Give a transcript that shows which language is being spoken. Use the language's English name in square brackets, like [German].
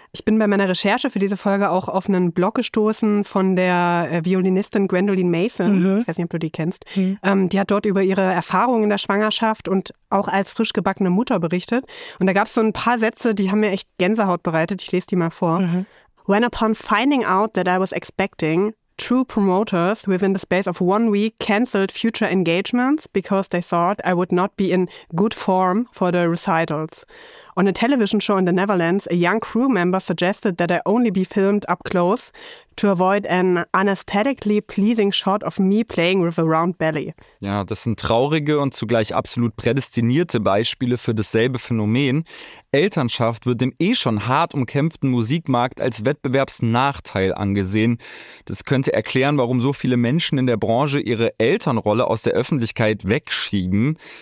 [German] Ich bin bei meiner Recherche für diese Folge auch auf einen Blog gestoßen von der Violinistin Gwendoline Mason. Mhm. Ich weiß nicht, ob du die kennst. Mhm. Die hat dort über ihre Erfahrungen in der Schwangerschaft und auch als frisch gebackene Mutter berichtet. Und da gab es so ein paar Sätze, die haben mir echt Gänsehaut bereitet. Ich lese die mal vor. Mhm. [English] When upon finding out that I was expecting, true promoters within the space of 1 week cancelled future engagements because they thought I would not be in good form for the recitals. On a television show in the Netherlands, a young crew member suggested that I only be filmed up close to avoid an anesthetically pleasing shot of me playing with a round belly. [German] Ja, das sind traurige und zugleich absolut prädestinierte Beispiele für dasselbe Phänomen. Elternschaft wird dem eh schon hart umkämpften Musikmarkt als Wettbewerbsnachteil angesehen. Das könnte erklären, warum so viele Menschen in der Branche ihre Elternrolle aus der Öffentlichkeit wegschieben.